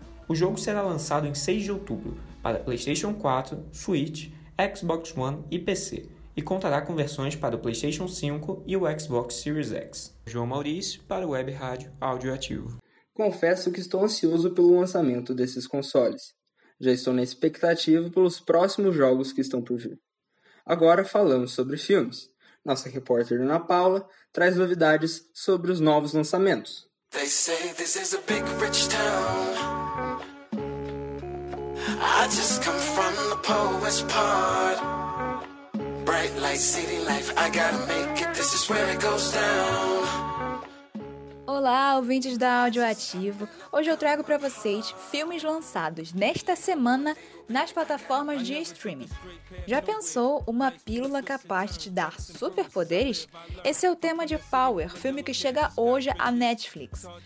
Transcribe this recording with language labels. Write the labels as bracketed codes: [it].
[pt] O jogo será lançado em 6 de outubro, para PlayStation 4, Switch, Xbox One e PC, e contará com versões para o PlayStation 5 e o Xbox Series X. João Maurício, para o Web Rádio Áudio Ativo. confesso que estou ansioso pelo lançamento desses consoles. Já estou na expectativa pelos próximos jogos que estão por vir. Agora falamos sobre filmes. Nossa repórter Ana Paula traz novidades sobre os novos lançamentos. [en] They say this is a big rich town. I just come from the poorest part. Bright light, city life, I gotta make it, this is where it goes down. [pt] Olá, ouvintes da Áudio Ativo. Hoje eu trago para vocês filmes lançados nesta semana nas plataformas de streaming. Já pensou uma pílula capaz de te dar superpoderes? Esse é o tema de Power, filme que chega hoje à Netflix.